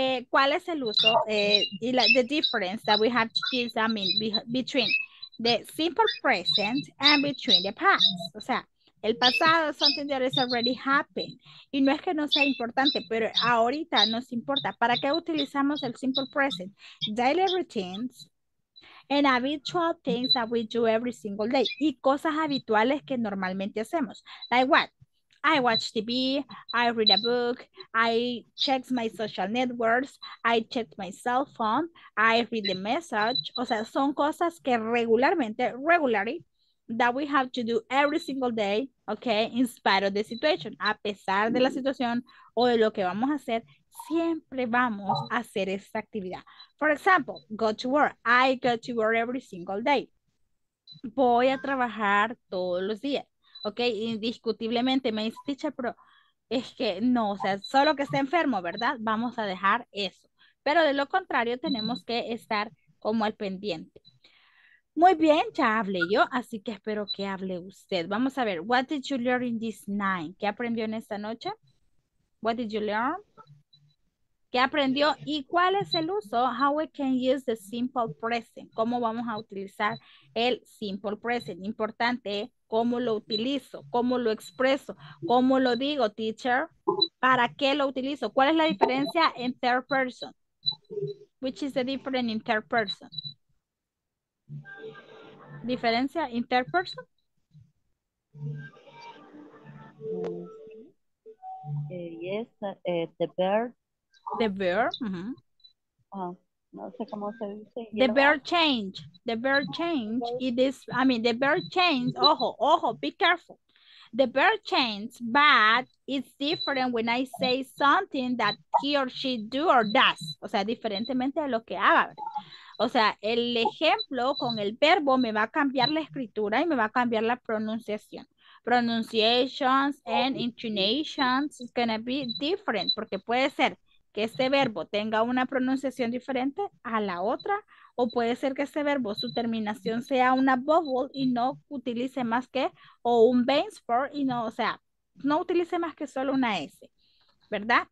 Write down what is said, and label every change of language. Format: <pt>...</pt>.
<es>¿Cuál es el uso y la</es> <en>the difference that we have to use, I mean, between the simple present and between the past?</en> <es>O sea, el pasado,</es> <en>something that has already happened.</en> <es>Y no es que no sea importante, pero ahorita nos importa. ¿Para qué utilizamos el simple present?</es> <en>Daily routines and habitual things that we do every single day.</en> <es>Y cosas habituales que normalmente hacemos.</es> <en>Like what? I watch TV, I read a book, I check my social networks, I check my cell phone, I read the message.</en> <es>O sea, son cosas que</es> <en>regularly, that we have to do every single day, okay, in spite of the situation.</en> <es>A pesar de la situación o de lo que vamos a hacer, siempre vamos a hacer esta actividad.</es> <en>For example, go to work. I go to work every single day.</en> <es>Voy a trabajar todos los días. Ok, indiscutiblemente me dice, teacher, pero es que no, o sea, solo que esté enfermo, ¿verdad? Vamos a dejar eso. Pero de lo contrario, tenemos que estar como al pendiente. Muy bien, ya hablé yo, así que espero que hable usted. Vamos a ver,</es> <en>what did you learn in this night?</en> <es>¿Qué aprendió en esta noche?</es> <en>What did you learn?</en> <es>¿Qué aprendió? ¿Y cuál es el uso?</es> <en>How we can use the simple present.</en> <es>¿Cómo vamos a utilizar el simple present? Importante, ¿cómo lo utilizo? ¿Cómo lo expreso? ¿Cómo lo digo, teacher? ¿Para qué lo utilizo? ¿Cuál es la diferencia en</es> <en>third person? Which is the difference in third person? ¿Diferencia in third person? Yes, the verb. The verb.</en> <es>No sé cómo se dice.</es> <en>The verb change. The verb change.</en> <es>Ojo,</es> <en>be careful. The verb change, but it's different when I say something that he or she do or does.</en> <es>O sea, diferentemente de lo que haga. O sea, el ejemplo con el verbo me va a cambiar la escritura y me va a cambiar la pronunciación.</es> <en>Pronunciations and intonations is going to be different</en> <es>porque puede ser que este verbo tenga una pronunciación diferente a la otra, o puede ser que este verbo, su terminación sea una vowel y no utilice más que, o un base for y no, o sea, no utilice más que solo una S, ¿verdad?</es>